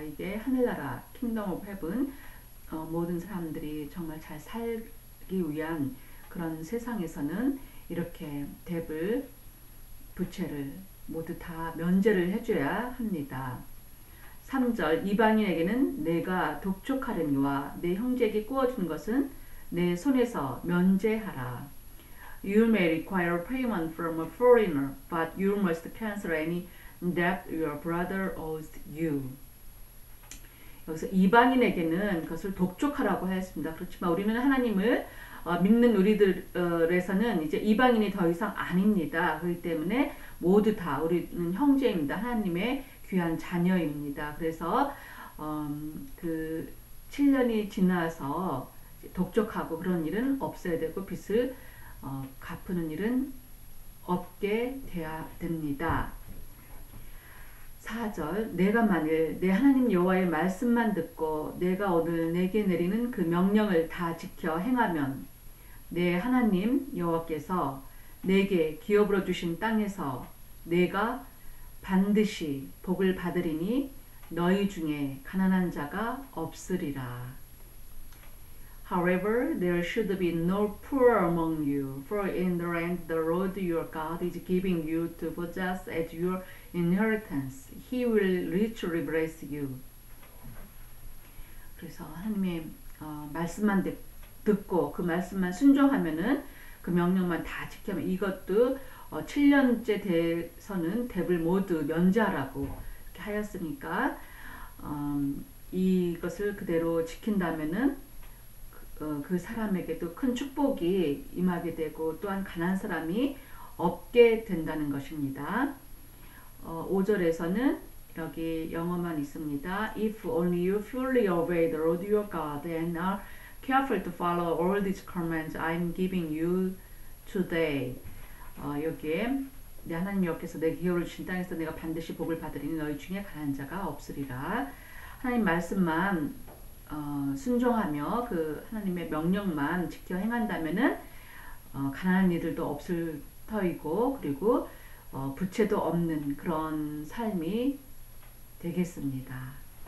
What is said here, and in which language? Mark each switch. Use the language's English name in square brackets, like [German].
[Korean] 이게 하늘나라 [English] Kingdom of Heaven, [Korean] 모든 사람들이 정말 잘 살기 위한 그런 세상에서는 이렇게 debt을, 부채를 모두 다 면제를 해줘야 합니다. 3절 이방인에게는 내가 독촉하려니와 내 형제에게 꾸어준 것은 내 손에서 면제하라. [English] You may require payment from a foreigner, but you must cancel any debt your brother owes you. [Korean] 여기서 이방인에게는 그것을 독촉하라고 하였습니다. 그렇지만 우리는 하나님을 믿는 우리들에서는 이제 이방인이 더 이상 아닙니다. 그렇기 때문에 모두 다 우리는 형제입니다. 하나님의 귀한 자녀입니다. 그래서 그 7년이 지나서 독촉하고 그런 일은 없어야 되고, 빚을 갚는 일은 없게 돼야 됩니다. 4절 내가 만일 내 하나님 여호와의 말씀만 듣고 내가 오늘 내게 내리는 그 명령을 다 지켜 행하면 내 하나님 여호와께서 내게 기업으로 주신 땅에서 내가 반드시 복을 받으리니 너희 중에 가난한 자가 없으리라. [English] However, there should be no poor among you, for in the land the Lord your God is giving you to possess as your inheritance, he will richly bless you. [Korean] 그래서 하나님의 말씀만 듣고 그 말씀만 순종하면은, 그 명령만 다 지키면, 이것도 7년째 돼서는 debt을 모두 면제하라고 이렇게 하였으니까, 이것을 그대로 지킨다면은 그 사람에게도 큰 축복이 임하게 되고 또한 가난한 사람이 없게 된다는 것입니다. 5절에서는 여기 영어만 있습니다. [English] If only you fully obey the Lord your God and are careful to follow all these commands I'm giving you today. [Korean] 여기에 내 하나님 여호와께서 내 기업을 주신 땅에서 내가 반드시 복을 받으리니 너희 중에 가난한 자가 없으리라. 하나님 말씀만 순종하며 그 하나님의 명령만 지켜 행한다면은 가난한 이들도 없을 터이고 그리고 부채도 없는 그런 삶이 되겠습니다.